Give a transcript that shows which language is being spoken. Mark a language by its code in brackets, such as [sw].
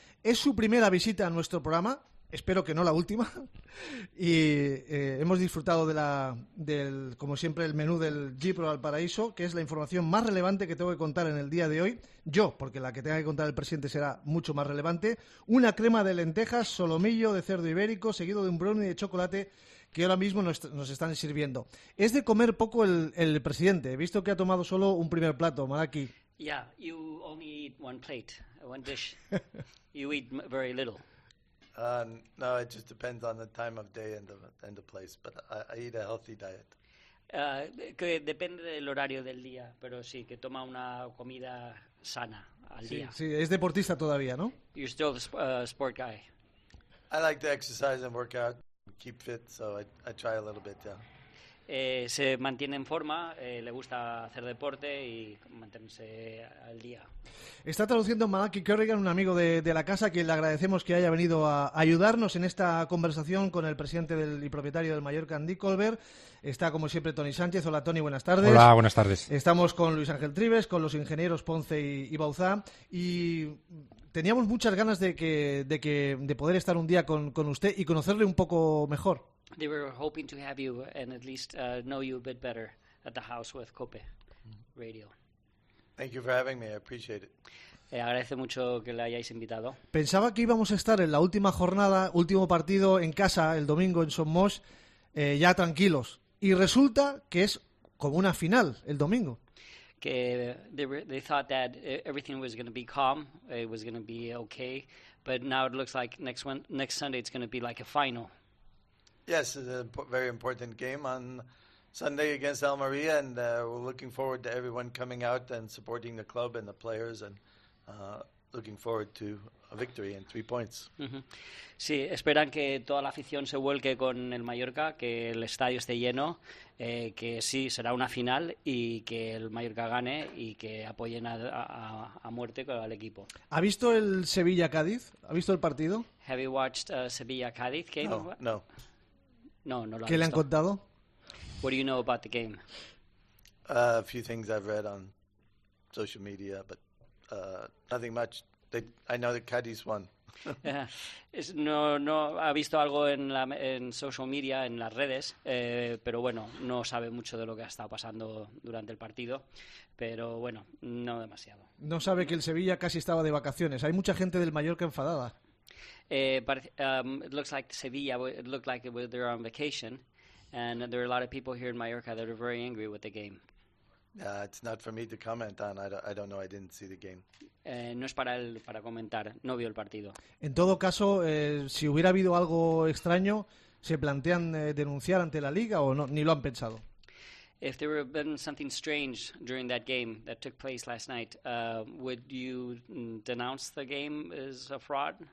[es] Es su primera visita a nuestro programa, espero que no la última, y hemos disfrutado del como siempre, el menú del Gibro Valparaíso, que es la información más relevante que tengo que contar en el día de hoy. Yo, porque la que tenga que contar el presidente será mucho más relevante. Una crema de lentejas, solomillo de cerdo ibérico, seguido de un brownie de chocolate que ahora mismo nos están sirviendo. Es de comer poco el presidente. He visto que ha tomado solo un primer plato, Malaki. [en] Yeah, you only eat one plate, one dish. You eat very little. No, it just depends on the time of day and the place, but I eat a healthy diet. [es] Que depende del horario del día, pero sí, que toma una comida sana al día. Sí, es deportista todavía, ¿no? [en] You're still a sport guy. I like to exercise and work out, keep fit, so I try a little bit, yeah. [es] Se mantiene en forma, le gusta hacer deporte y mantenerse al día. Está traduciendo Malaki Kerrigan, un amigo de la casa, que le agradecemos que haya venido a ayudarnos en esta conversación con el presidente y propietario del Mallorca, Andy Colbert. Está, como siempre, Tony Sánchez. Hola, Tony, buenas tardes. Hola, buenas tardes. Estamos con Luis Ángel Trives, con los ingenieros Ponce y Bauzá. Y teníamos muchas ganas de poder estar un día con usted y conocerle un poco mejor. [en] They were hoping to have you and at least know you a bit better at the house with COPE Radio. Thank you for having me. I appreciate it. [es] Agradece mucho que le hayáis invitado. Pensaba que íbamos a estar en la última jornada, último partido en casa, el domingo en Somos, ya tranquilos. Y resulta que es como una final el domingo. Que [en] they thought that everything was going to be calm, it was going to be okay, but now it looks like next Sunday it's going to be like a final. Yes, it's a very important game on Sunday against Almería, and we're looking forward to everyone coming out and supporting the club and the players, and looking forward to a victory and 3 points. Uh-huh. [es] Sí, esperan que toda la afición se vuelque con el Mallorca, que el estadio esté lleno, que sí, será una final y que el Mallorca gane y que apoyen a muerte al equipo. ¿Ha visto el Sevilla-Cádiz? ¿Ha visto el partido? [en] Have you watched Sevilla-Cádiz game? No. [es] No, no lo ¿Qué le han contado? [en] What do you know about the game? A few things I've read on social media, but nothing much. I know that Cadiz won. [es] No ha visto algo en social media, en las redes, pero bueno, no sabe mucho de lo que ha estado pasando durante el partido, pero bueno, no demasiado. No sabe que el Sevilla casi estaba de vacaciones. Hay mucha gente del Mallorca enfadada. [en] It looks like Sevilla, it looked like they're on vacation, and there are a lot of people here in Mallorca that are very angry with the game. It's not for me to comment on. I don't know, I didn't see the game. [es] No es para comentar, no vio el partido. En todo caso, si hubiera habido algo extraño, ¿se plantean denunciar ante la Liga o no? Ni lo han pensado. [en] If there had been something strange during that game that took place last night, would you denounce the game as a fraud?